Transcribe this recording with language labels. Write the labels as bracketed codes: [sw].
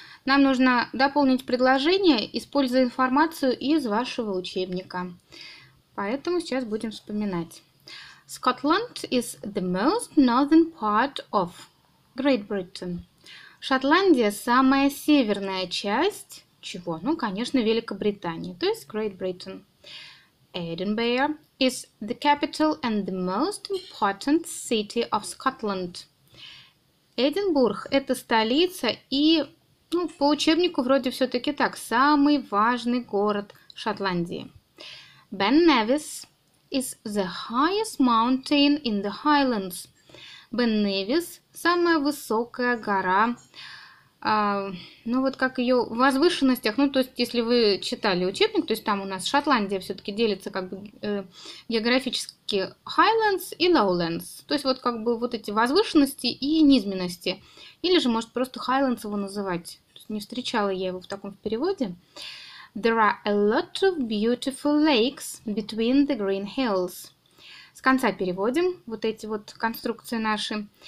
[ru] Нам нужно дополнить предложение, используя информацию из вашего учебника. Поэтому сейчас будем вспоминать. [en] Scotland is the most northern part of Great Britain. [ru] Шотландия – самая северная часть чего? Ну, конечно, Великобритании, то есть Great Britain. [en] Edinburgh is the capital and the most important city of Scotland. [ru] Эдинбург – это столица и, ну, по учебнику вроде все-таки так, самый важный город Шотландии. [en] Бен Невис is the highest mountain in the Highlands. [ru] Бен Невис – самая высокая гора, ну вот как ее в возвышенностях, ну то есть если вы читали учебник, то есть там у нас Шотландия все-таки делится как бы географически Highlands и Lowlands, то есть вот как бы вот эти возвышенности и низменности, или же может просто Highlands его называть, то есть не встречала я его в таком переводе. [en] There are a lot of beautiful lakes between the green hills. [ru] С конца переводим вот эти вот конструкции наши.